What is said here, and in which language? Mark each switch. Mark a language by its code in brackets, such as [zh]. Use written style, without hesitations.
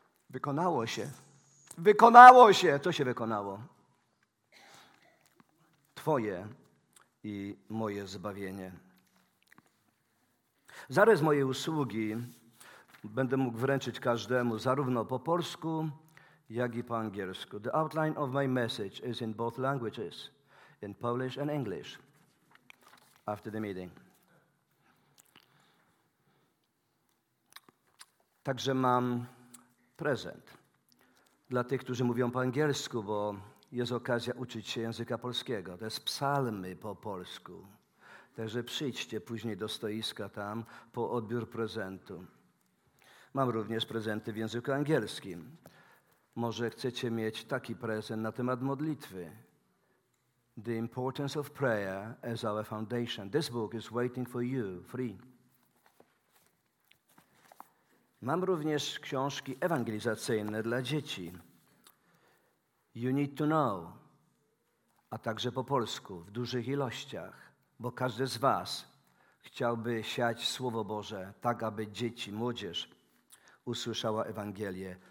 [pl] Wykonało się. Wykonało się. Co się wykonało? Twoje i moje zbawienie. Zarys mojej usługi będę mógł wręczyć każdemu, zarówno po polsku, jak i po angielsku. [en] The outline of my message is in both languages, in Polish and English, after the meeting. [pl] Także mam prezent dla tych, którzy mówią po angielsku, bo jest okazja uczyć się języka polskiego. To jest psalmy po polsku. Także przyjdźcie później do stoiska tam po odbiór prezentu. Mam również prezenty w języku angielskim. Może chcecie mieć taki prezent na temat modlitwy. [en] The importance of prayer as our foundation. This book is waiting for you, free. [pl] Mam również książki ewangelizacyjne dla dzieci. [en] You need to know. [pl] A także po polsku, w dużych ilościach. Bo każdy z was chciałby siać Słowo Boże tak, aby dzieci, młodzież usłyszała Ewangelię.